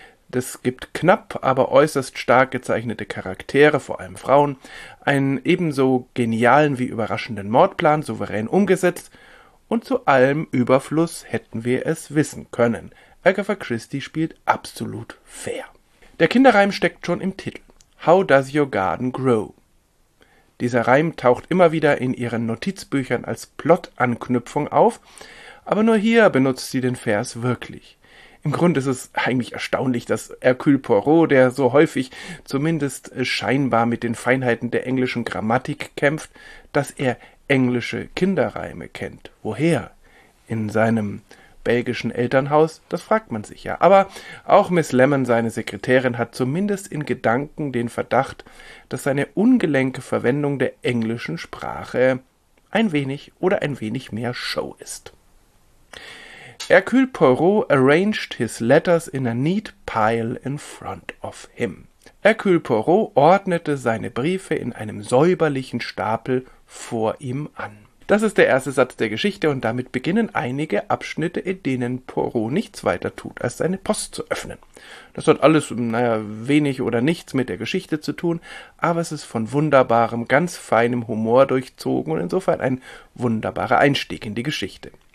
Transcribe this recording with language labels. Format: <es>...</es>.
<de>Es gibt knapp, aber äußerst stark gezeichnete Charaktere, vor allem Frauen, einen ebenso genialen wie überraschenden Mordplan, souverän umgesetzt, und zu allem Überfluss hätten wir es wissen können. Agatha Christie spielt absolut fair. Der Kinderreim steckt schon im Titel.</de> <en>How does your garden grow?</en> <de>Dieser Reim taucht immer wieder in ihren Notizbüchern als Plot-Anknüpfung auf, aber nur hier benutzt sie den Vers wirklich. Im Grunde ist es eigentlich erstaunlich, dass Hercule Poirot, der so häufig zumindest scheinbar mit den Feinheiten der englischen Grammatik kämpft, dass er englische Kinderreime kennt. Woher? In seinem belgischen Elternhaus? Das fragt man sich ja. Aber auch Miss Lemon, seine Sekretärin, hat zumindest in Gedanken den Verdacht, dass seine ungelenke Verwendung der englischen Sprache ein wenig oder ein wenig mehr Show ist.</de> <en>Hercule Poirot arranged his letters in a neat pile in front of him.</en> <de>Hercule Poirot ordnete seine Briefe in einem säuberlichen Stapel vor ihm an. Das ist der erste Satz der Geschichte und damit beginnen einige Abschnitte, in denen Poirot nichts weiter tut, als seine Post zu öffnen. Das hat alles, naja, wenig oder nichts mit der Geschichte zu tun, aber es ist von wunderbarem, ganz feinem Humor durchzogen und insofern ein wunderbarer Einstieg in die Geschichte.</de>